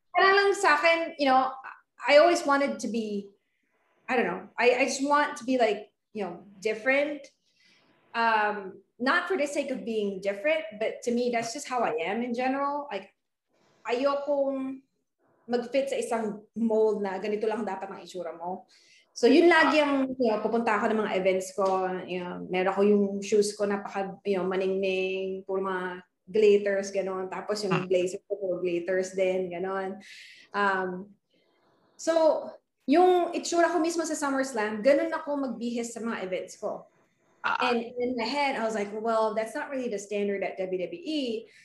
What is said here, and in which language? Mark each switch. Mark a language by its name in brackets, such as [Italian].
[Filipino] Parang lang sa akin, [English] you know, I always wanted to be, I don't know, I just want to be like, you know, different. Not for the sake of being different, but to me, that's just how I am in general. [Filipino] Like, ayokong mag-fit sa isang mold na ganito lang dapat ang itsura mo. So, yun lagi ang, you know, pupunta ako ng mga events ko. [English] You know, [Filipino] meron ko yung shoes ko napaka, you know, maningning, puro mga glitters, ganon. Tapos yung blazer ko, puro glitters din, ganon. So, yung itsura ko mismo sa SummerSlam, ganun ako magbihis sa mga events ko. [English] And in my head, I was like, well, that's not really the standard at WWE.